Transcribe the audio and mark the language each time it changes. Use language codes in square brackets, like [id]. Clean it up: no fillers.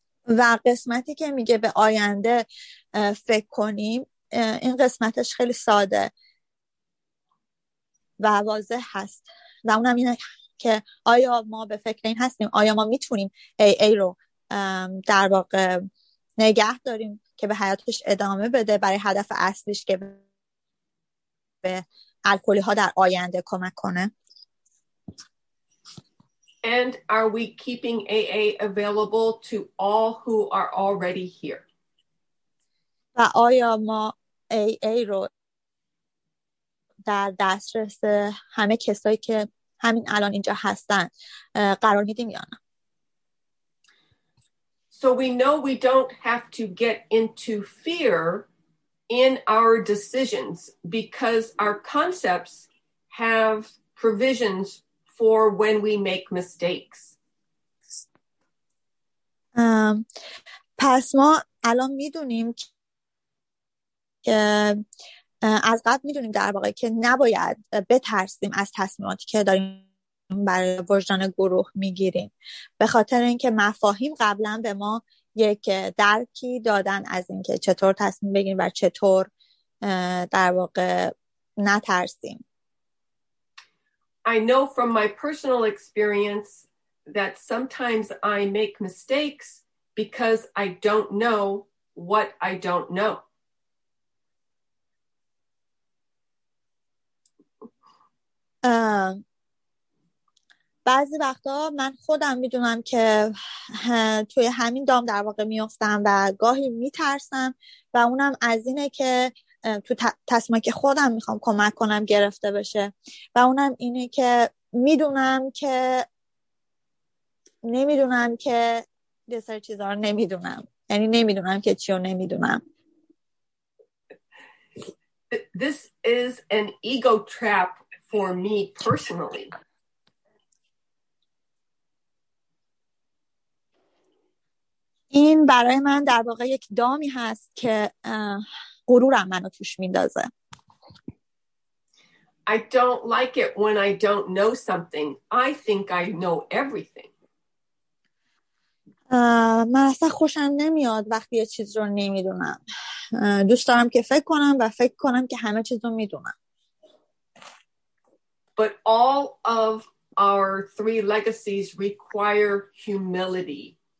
[fa] و قسمتی که میگه به آینده فکر کنیم، این قسمتش خیلی ساده و واضح هست و اونم اینه که آیا ما به فکر این هستیم، آیا ما میتونیم AA رو در واقع نگه داریم که به حیاتش ادامه بده برای هدف اصلیش که به الکلی ها در آینده کمک کنه. [en] And are we keeping AA available to all who are already here? [fa] و آیا ما AA رو در دسترس همه کسایی که همین الان اینجا هستن قرار میدیم یا نه؟ [en] So we know we don't have to get into fear in our decisions because our concepts have provisions for when we make mistakes. [fa] پس ما الان میدونیم که از قبل میدونیم در واقع که نباید بترسیم از تصمیماتی که داریم برای وجدان گروه میگیریم، به خاطر اینکه مفاهیم قبلا به ما یک درکی دادن از اینکه چطور تصمیم بگیریم و چطور در واقع نترسیم. [en] I know from my personal experience that sometimes I make mistakes because I don't know what I don't know. [fa] بعضی وقتا من خودم میدونم که توی همین دام در واقع میافتم و گاهی میترسم و اونم از اینه که تو تصمیمی که خودم میخوام کمک کنم گرفته بشه و اونم اینه که میدونم که نمیدونم که یه سری چیزا رو نمیدونم، یعنی نمیدونم که چیو نمیدونم. [en] This is an ego trap for me personally. [fa] این برای من در واقع یک دامی هست که غرورم منو توش میندازه. [en] I don't like it when I don't know something. I think I know everything. [fa] من اصلا خوشم نمیاد وقتی یه چیز رو نمیدونم. دوست دارم که فکر کنم و فکر کنم که همه چیز رو میدونم. [en] But all of our three legacies require humility.